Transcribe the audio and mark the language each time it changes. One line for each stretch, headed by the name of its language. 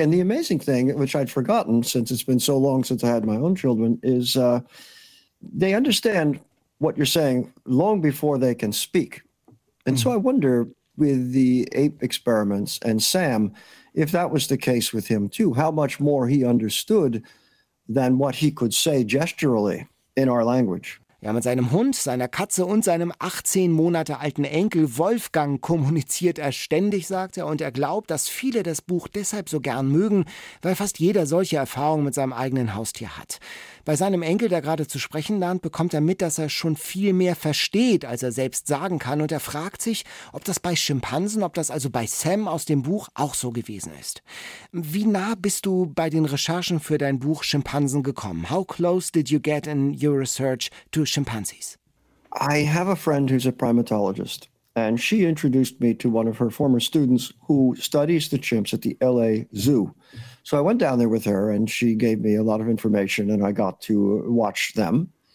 English: And the amazing thing, which I'd forgotten since it's been so long since I had my own children, is they understand what you're saying long before they can speak. And so I wonder, with the ape experiments and Sam, if that was the case with him too, how much more he understood than what he could say gesturally in our language.
German: Ja, mit seinem Hund, seiner Katze und seinem 18 Monate alten Enkel Wolfgang kommuniziert er ständig, sagt er, und er glaubt, dass viele das Buch deshalb so gern mögen, weil fast jeder solche Erfahrungen mit seinem eigenen Haustier hat. Bei seinem Enkel, der gerade zu sprechen lernt, bekommt er mit, dass er schon viel mehr versteht, als er selbst sagen kann, und er fragt sich, ob das bei Schimpansen, ob das also bei Sam aus dem Buch auch so gewesen ist. Wie nah bist du bei den Recherchen für dein Buch Schimpansen gekommen?
English: How close did you get in your research to chimpanzees? I have a friend who's a primatologist, and she introduced me to one of her former students who studies the chimps at the LA Zoo. So I went down there with her and she gave me a lot of information and I got to watch them.